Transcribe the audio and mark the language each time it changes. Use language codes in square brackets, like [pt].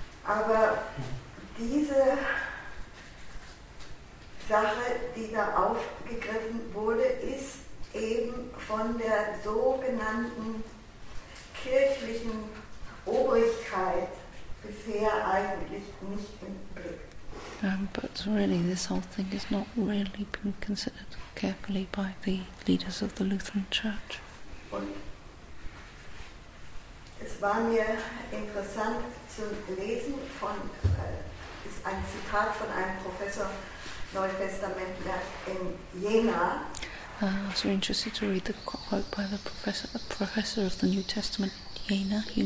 [de] Aber diese Sache, die da aufgegriffen wurde, ist eben von der sogenannten kirchlichen Obrigkeit bisher eigentlich nicht im Blick. [en] But really, this whole thing has not really been considered carefully by the leaders of the Lutheran Church. [de] Und es war mir interessant zu lesen von, ist ein Zitat von einem Professor, [en] I was very interested to read the quote by the professor of the New Testament, Jena.